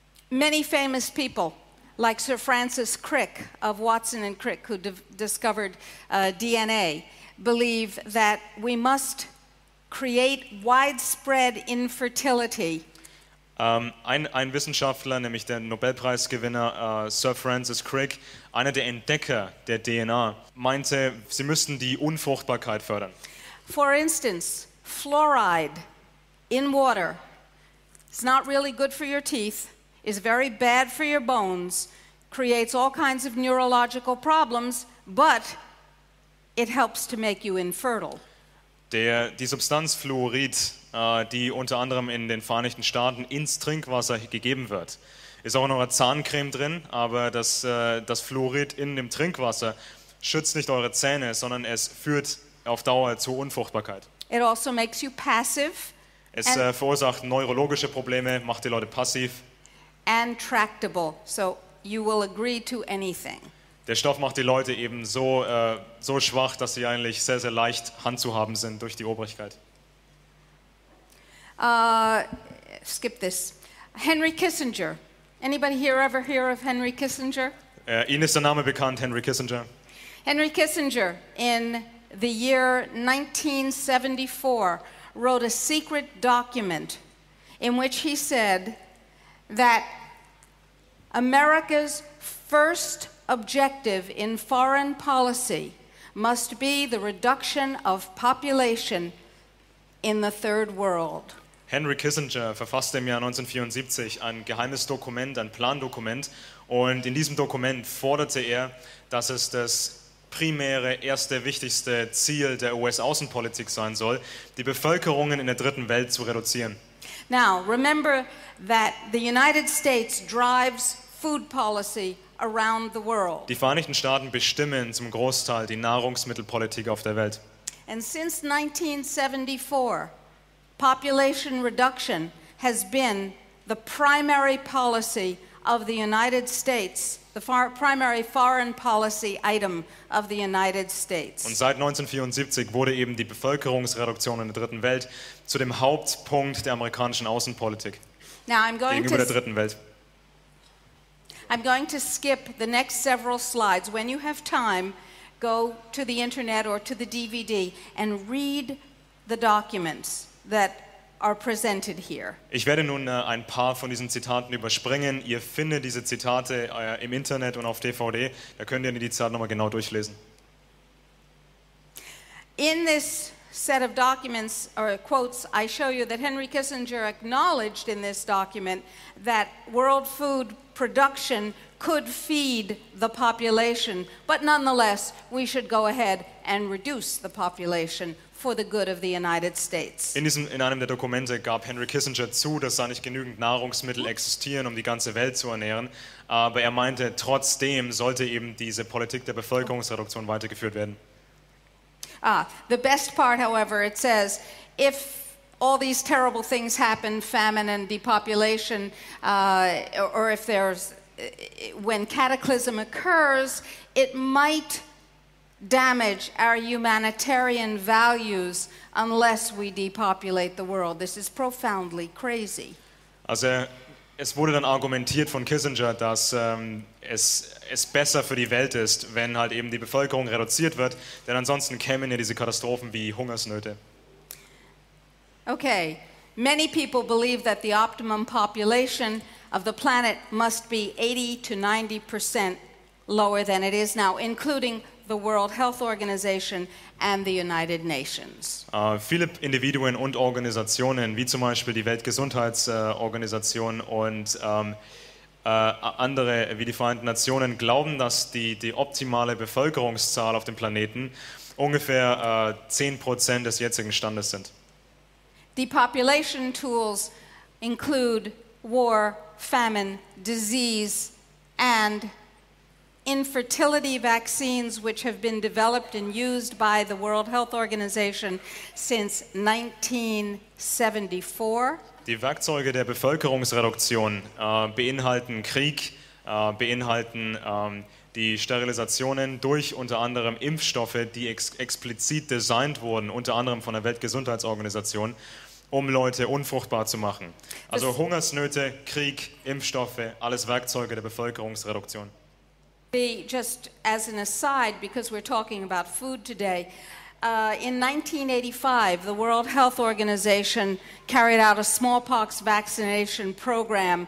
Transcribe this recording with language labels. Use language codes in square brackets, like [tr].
[en] Many famous people, like Sir Francis Crick of Watson and Crick, who discovered DNA, believe that we must create widespread infertility. [de] Ein Wissenschaftler, nämlich der Nobelpreisgewinner Sir Francis Crick, einer der Entdecker der DNA, meinte, sie müssten die Unfruchtbarkeit fördern. [en] For instance, fluoride in water is not really good for your teeth. Is very bad for your bones, creates all kinds of neurological problems, but it helps to make you infertile. [de] Die Substanz Fluorid, die unter anderem in den Vereinigten Staaten ins Trinkwasser gegeben wird, ist auch in eurer Zahncreme drin, aber das Fluorid in dem Trinkwasser schützt nicht eure Zähne, sondern es führt auf Dauer zu Unfruchtbarkeit. [en] It also makes you passive. [de] Es verursacht neurologische Probleme, macht die Leute passiv. [en] And tractable, so you will agree to anything. [de] Der Stoff macht die Leute eben so so schwach, dass sie eigentlich sehr sehr leicht handzuhaben sind durch die Obrigkeit. [en] Skip this. Henry Kissinger. Anybody here ever hear of Henry Kissinger? [de] Ihnen ist der Name bekannt, Henry Kissinger. [en] Henry Kissinger in the year 1974 wrote a secret document in which he said that America's first objective in foreign policy must be the reduction of population in the third world. [de] Henry Kissinger verfasste im Jahr 1974 ein geheimes Dokument, ein Plandokument, und in diesem Dokument forderte er, dass es das primäre, erste, wichtigste Ziel der US-Außenpolitik sein soll, die Bevölkerungen in der dritten Welt zu reduzieren. [en] Now, remember that the United States drives food policy around the world. [de] Die Vereinigten Staaten bestimmen zum Großteil die Nahrungsmittelpolitik auf der Welt. [en] And since 1974, population reduction has been the primary policy of the United States, primary foreign policy item of the United States. [de] Und seit 1974 wurde eben die Bevölkerungsreduktion in der dritten Welt zu dem Hauptpunkt der amerikanischen Außenpolitik. [en] Now I'm going [de] gegenüber der dritten Welt. [en] I'm going to skip the next several slides. When you have time, go to the internet or to the DVD and read the documents that are presented here. [de] Ich werde nun ein paar von diesen Zitaten überspringen. Ihr findet diese Zitate im Internet und auf DVD. Da könnt ihr die Zitate nochmal genau durchlesen. [en] In this set of documents or quotes, I show you that Henry Kissinger acknowledged in this document that world food production could feed the population, but nonetheless, we should go ahead and reduce the population for the good of the United States. [de] In einem der Dokumente gab Henry Kissinger zu, dass da nicht genügend Nahrungsmittel existieren, um die ganze Welt zu ernähren, aber er meinte, trotzdem sollte eben diese Politik der Bevölkerungsreduktion weitergeführt werden. [en] The best part, however, it says, if all these terrible things happen, famine and depopulation, or if there's when cataclysm occurs, it might damage our humanitarian values unless we depopulate the world. This is profoundly crazy. [de] Also, es wurde dann argumentiert von Kissinger, dass es besser für die Welt ist, wenn halt eben die Bevölkerung reduziert wird, denn ansonsten kämen ja diese Katastrophen wie Hungersnöte. [en] Okay, many people believe that the optimum population of the planet must be 80% to 90% lower than it is now, including the World Health Organization and the United Nations. [de] Viele Individuen und Organisationen, wie zum Beispiel die Weltgesundheitsorganisation und andere wie die Vereinten Nationen, glauben, dass die optimale Bevölkerungszahl auf dem Planeten ungefähr 10% des jetzigen Standes sind. [en] Depopulation tools include war, famine, disease and infertility vaccines, which have been developed and used by the World Health Organization since 1974. [de] Die Werkzeuge der Bevölkerungsreduktion beinhalten Krieg, beinhalten die Sterilisationen durch unter anderem Impfstoffe, die explizit designt wurden, unter anderem von der Weltgesundheitsorganisation, um Leute unfruchtbar zu machen. Also Hungersnöte, Krieg, Impfstoffe, alles Werkzeuge der Bevölkerungsreduktion. [en] Just as an aside, because we're talking about food today, in 1985, the World Health Organization carried out a smallpox vaccination program.